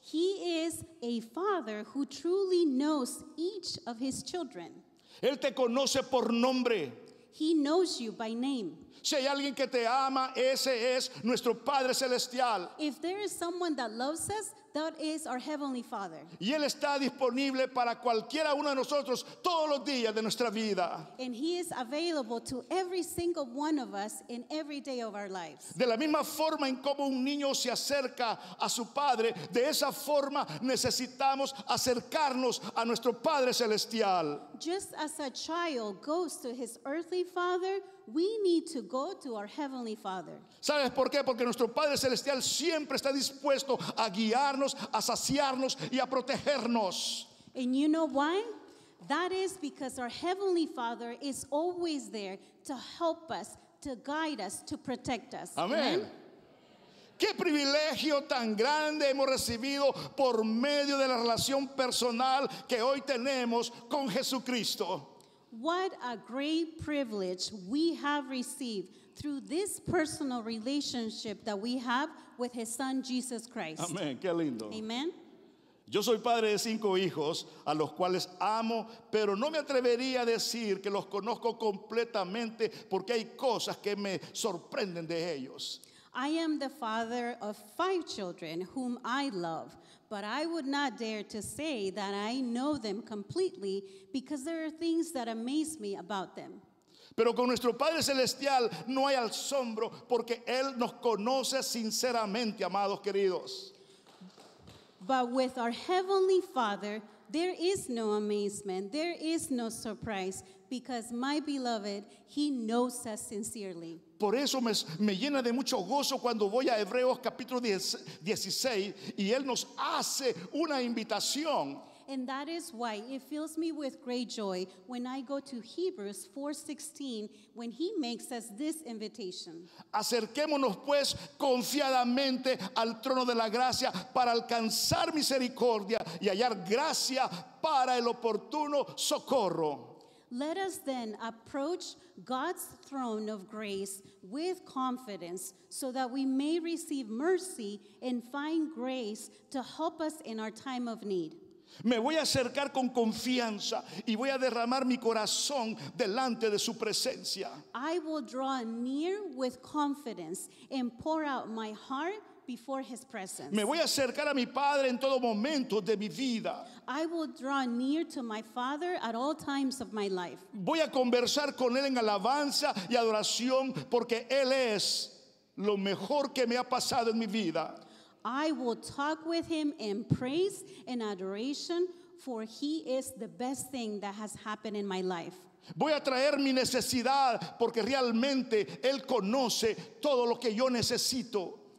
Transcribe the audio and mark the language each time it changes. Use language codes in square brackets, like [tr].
[en] He is a father who truly knows each of his children. [es] Él te conoce por nombre. [en] He knows you by name. [es] Si hay alguien que te ama, ese es nuestro Padre Celestial. [en] If there is someone that loves us, that is our Heavenly Father. [es] Y él está disponible para cualquiera uno de nosotros todos los días de nuestra vida. [en] And he is available to every single one of us in every day of our lives. [es] De la misma forma en como un niño se acerca a su padre, de esa forma necesitamos acercarnos a nuestro Padre Celestial. [en] Just as a child goes to his earthly father, we need to go to our Heavenly Father. [es] ¿Sabes por qué? Porque nuestro Padre Celestial siempre está dispuesto a guiarnos, a saciarnos y a protegernos. [en] And you know why? That is because our Heavenly Father is always there to help us, to guide us, to protect us. [es] Amén. ¿Qué privilegio tan grande hemos recibido por medio de la relación personal que hoy tenemos con Jesucristo? [en] What a great privilege we have received through this personal relationship that we have with his son Jesus Christ. [es] Amén, qué lindo. [en] Amen. [es] Yo soy padre de 5 hijos a los cuales amo, pero no me atrevería a decir que los conozco completamente porque hay cosas que me sorprenden de ellos. [en] I am the father of 5 children whom I love, but I would not dare to say that I know them completely because there are things that amaze me about them. [es] Pero con nuestro Padre Celestial no hay asombro porque Él nos conoce sinceramente, amados queridos. [en] But with our Heavenly Father, there is no amazement, there is no surprise, because my beloved, he knows us sincerely. [es] Por eso me llena de mucho gozo cuando voy a Hebreos capítulo 16 y él nos hace una invitación. [en] And that is why it fills me with great joy when I go to Hebrews 4:16, when he makes us this invitation. [es] Acerquémonos pues confiadamente al trono de la gracia para alcanzar misericordia y hallar gracia para el oportuno socorro. [en] Let us then approach God's throne of grace with confidence so that we may receive mercy and find grace to help us in our time of need. [es] Me voy a acercar con confianza y voy a derramar mi corazón delante de su presencia. [en] I will draw near with confidence and pour out my heart before his presence. [es] Me voy a acercar a mi padre en todo momento de mi vida. [en] I will draw near to my father at all times of my life. [es] Voy a conversar con él en alabanza y adoración porque él es lo mejor que me ha pasado en mi vida. [en] I will talk with him in praise and adoration, for he is the best thing that has happened in my life. [es] Voy a traer mi necesidad porque realmente él conoce todo lo que yo necesito.